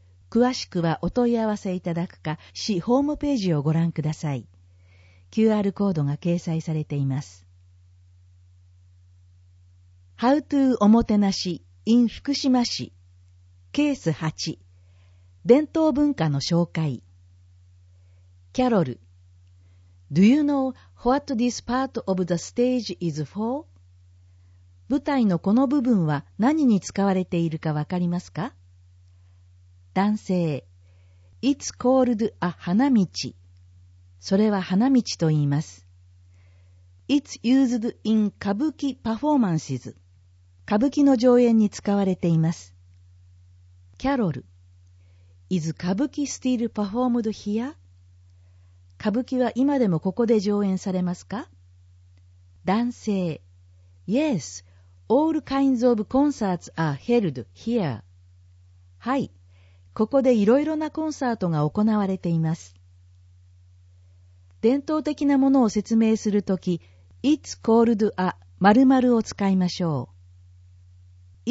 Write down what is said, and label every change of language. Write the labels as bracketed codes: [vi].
[ja] 詳しくはお問い合わせいただくか、市ホームページをご覧ください。 QR コードが掲載されています。 [en] How to [ja] おもてなし in 福島市ケース8伝統文化の紹介。 [en] キャロル、 Do you know what this part of the stage is for? [ja] 舞台のこの部分は何に使われているかわかりますか？ [en] 男性、 It's called a 花道。 [ja] それは花道と言います。 [en] It's used in 歌舞伎 performances. [ja] 歌舞伎の上演に使われています。 [en] キャロル、 Is 歌舞伎 still performed here? [ja] 歌舞伎は今でもここで上演されますか？ [en] 男性、 Yes, all kinds of concerts are held here. [ja] はい、ここでいろいろなコンサートが行われています。伝統的なものを説明するとき、 [en] It's called a [ja] 〇〇を使いましょう。